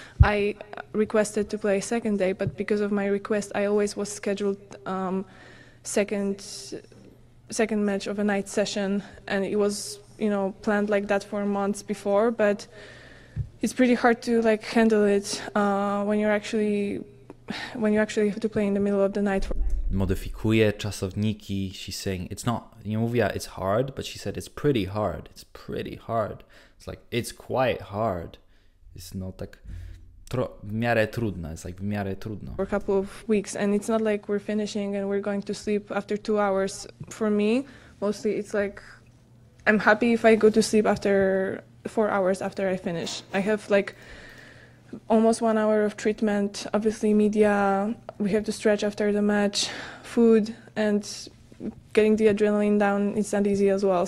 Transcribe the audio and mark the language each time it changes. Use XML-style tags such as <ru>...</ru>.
<en>I requested to play second day, but because of my request, I always was scheduled second match of a night session, and it was, you know, planned like that for months before, but it's pretty hard to like handle it when you actually have to play in the middle of the night.</en> <pl>Modyfikuje czasowniki.</pl> <en>She's saying it's not.</en> <pl>Nie mówiła</pl> <en>it's hard, but she said it's pretty hard. It's pretty hard. It's like it's quite hard. It's not like</en> <pl>w miarę trudno.</pl> <en>It's like</en> <pl>w miarę trudno.</pl> <en>For a couple of weeks, and it's not like we're finishing and we're going to sleep after 2 hours. For me, mostly it's like I'm happy if I go to sleep after 4 hours after I finish. I have like almost 1 hour of treatment, obviously media, we have to stretch after the match, food, and getting the adrenaline down is not easy as well.</en>